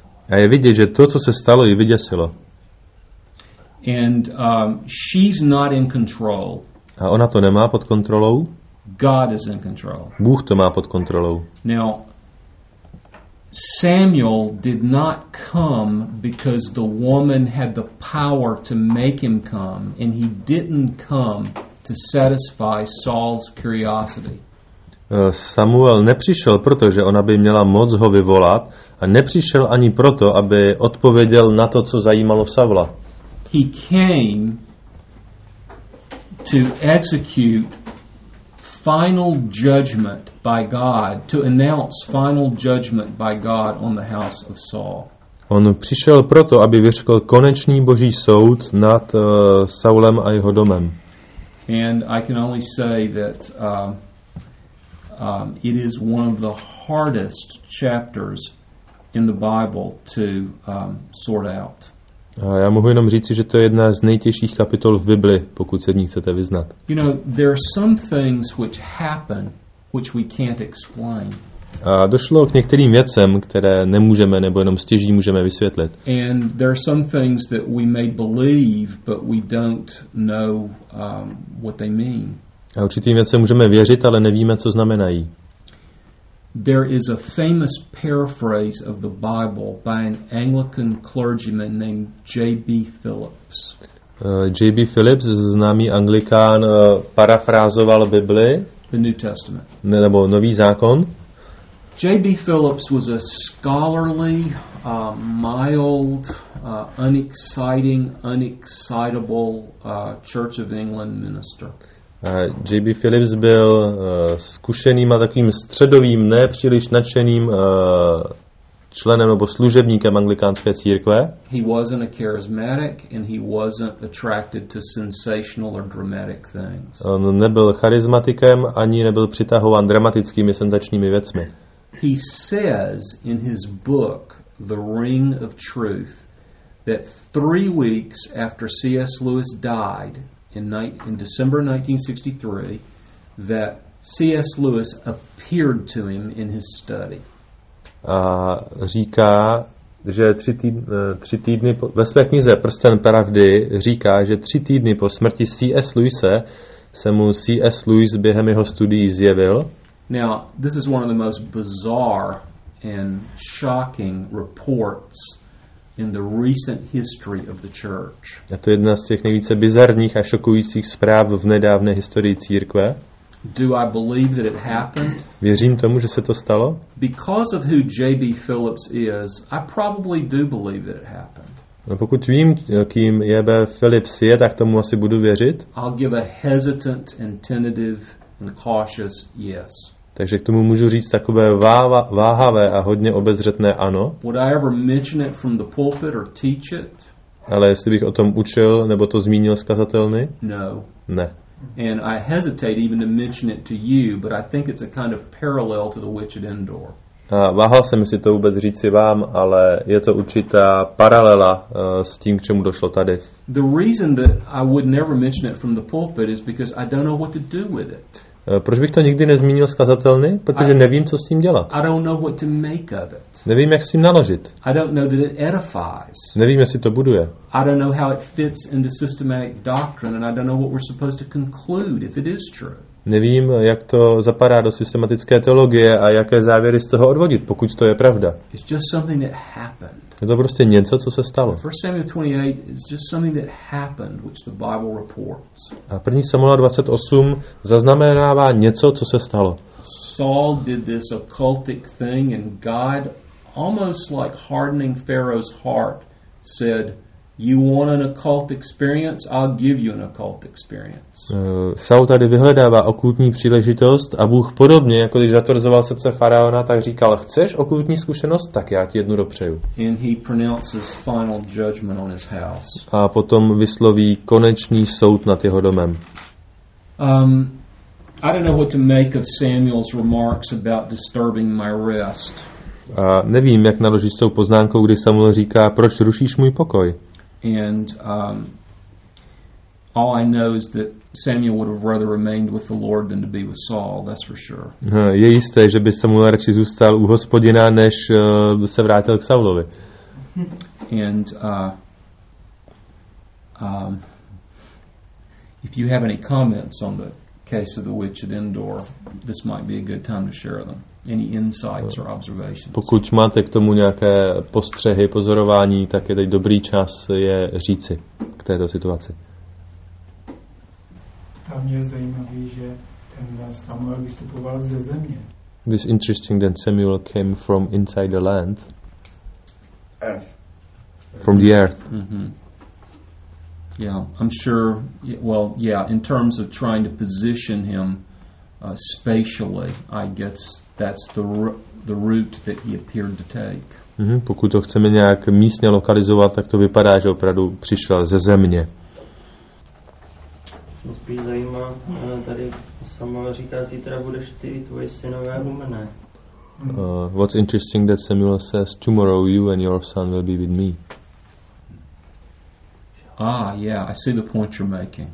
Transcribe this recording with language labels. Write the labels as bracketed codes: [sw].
[cs] A je vidět, že to, co se stalo, ji vyděsilo. [en] And she's not in control. [cs] A ona to nemá pod kontrolou. [en] God is in control. [cs] Bůh to má pod kontrolou. [en] Now, Samuel did not come because the woman had the power to make him come, and he didn't come to satisfy Saul's curiosity. [cs] Samuel nepřišel, protože ona by měla moc ho vyvolat, a nepřišel ani proto, aby odpověděl na to, co zajímalo Saula. [en] He came to execute final judgment by God, to announce final judgment by God on the house of Saul. [cs] On přišel proto, aby vyřkl konečný boží soud nad Saulem a jeho domem. [en] And I can only say that it is one of the hardest chapters in the Bible to sort out. [cs] A já mohu jenom říci, že to je jedna z nejtěžších kapitol v Bibli, pokud se v ní chcete vyznat. [en] You know, there are some things which happen, which we can't explain. [cs] A došlo k některým věcem, které nemůžeme nebo jenom stěží můžeme vysvětlit. [en] And there are some things that we may believe, but we don't know what they mean. [cs] A určitým věcem můžeme věřit, ale nevíme, co znamenají. [en] There is a famous paraphrase of the Bible by an Anglican clergyman named J.B. Phillips. [cs] J.B. Phillips, známý anglikán, parafrázoval Bibli. [en] The New Testament. [cs] Nebo Nový zákon. [en] J.B. Phillips was a scholarly, mild, unexciting, unexcitable Church of England minister. [cs] J.B. Phillips byl zkušeným a takovým středovým, nepříliš nadšeným členem nebo služebníkem anglikánské církve. [en] He wasn't a charismatic and he wasn't attracted to sensational or dramatic things. [cs] On nebyl charismatikem ani nebyl přitahován dramatickými senzačními věcmi. [en] He says in his book The Ring of Truth that 3 weeks after C.S. Lewis died, in December 1963, that C.S. Lewis appeared to him in his study. [cs] A říká, že tři týdny po, ve své knize Prsten pravdy říká, že 3 týdny po smrti C.S. Lewise se mu C.S. Lewis během jeho studií zjevil. [en] Now, this is one of the most bizarre and shocking reports in the recent history of the church. [cs] A to je jedna z těch nejvíce bizarních a šokujících zpráv v nedávné historii církve. [en] Do I believe that it happened? [cs] Věřím tomu, že se to stalo? [en] Because of who J.B. Phillips is, I probably do believe that it happened. [cs] No, pokud vím, kým J.B. Phillips je, tak tomu asi budu věřit. [en] I'll give a hesitant and tentative and cautious yes. [cs] Takže k tomu můžu říct takové váhavé a hodně obezřetné ano. [en] Would I ever mention it from the pulpit or teach it? [cs] Ale jestli bych o tom učil nebo to zmínil z kazatelny? [en] No. [cs] Ne. [en] And I hesitate even to mention it to you, but I think it's a kind of parallel to the witch at Endor. [cs] A váhal jsem si to vůbec říci vám, ale je to určitá paralela s tím, k čemu došlo tady. [en] The reason that I would never mention it from the pulpit is because I don't know what to do with it. [cs] Proč bych to nikdy nezmínil z kazatelny? Protože nevím, co s tím dělat. [en] I don't know what to make of it. [cs] Nevím, jak s tím naložit. [en] I don't know that it edifies. [cs] Nevím, jestli to buduje. [en] I don't know how it fits into systematic doctrine and I don't know what we're supposed to conclude if it is true. [cs] Nevím, jak to zapadá do systematické teologie a jaké závěry z toho odvodit, pokud to je pravda. [en] It's just something that happened. [cs] Je to prostě něco, co se stalo. [en] 1 Samuel 28 is just something that happened, which the Bible reports. [cs] A 1 Samuel 28 zaznamenává něco, co se stalo. [en] Saul did this occultic thing and God, almost like hardening Pharaoh's heart, said, You want an occult experience? I'll give you an occult experience. [cs] Saul tady vyhledává okultní příležitost a Bůh podobně, jako když zatvrzoval srdce faraona, tak říkal, chceš okultní zkušenost? Tak já ti jednu dopřeju. [en] And he pronounces final judgment on his house. [cs] A potom vysloví konečný soud nad jeho domem. [en] I don't know what to make of Samuel's remarks about disturbing my rest. [cs] A nevím, jak naložit s tou poznámkou, kdy Samuel říká, proč rušíš můj pokoj. [en] And all I know is that Samuel would have rather remained with the Lord than to be with Saul, that's for sure. [cs] Je jisté, že by Samuel radši zůstal u Hospodina, než se vrátil k Saulovi. [en] And if you have any comments on the case of the witch at Endor, this might be a good time to share them. Any insights or observations? [cs] Pokud máte k tomu nějaké postřehy, pozorování, tak je teď dobrý čas je říci k této situaci. A mě zajímavé, že ten Samuel vystupoval ze země. [en] This interesting that Samuel came from inside the land. Earth. From the earth. Mm-hmm. Yeah, I'm sure, well, yeah, in terms of trying to position him spatially, I guess that's the route that he appeared to take. Mm-hmm. [cs] Pokud to chceme nějak místně lokalizovat, tak to vypadá, že opravdu přišel ze země. Mě spíš zajímá, tady Samuel říká, zítra budeš ty tvoje synové u mne. [en] What's interesting that Samuel says, tomorrow you and your son will be with me. Ah, yeah, I see the point you're making.